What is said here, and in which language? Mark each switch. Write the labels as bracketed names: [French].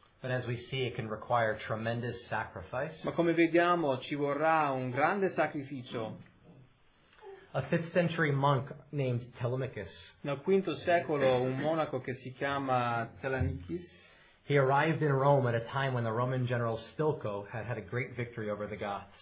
[English] But as we see, it can require tremendous sacrifice. [Italian] Ma come vediamo, ci vorrà un grande sacrificio. [English] A 5th century monk named Telemachus. [Italian] Nel quinto secolo, un monaco che si chiama Telemachus. [English] He arrived in Rome at a time when the Roman general Stilicho had a great victory over the Goths.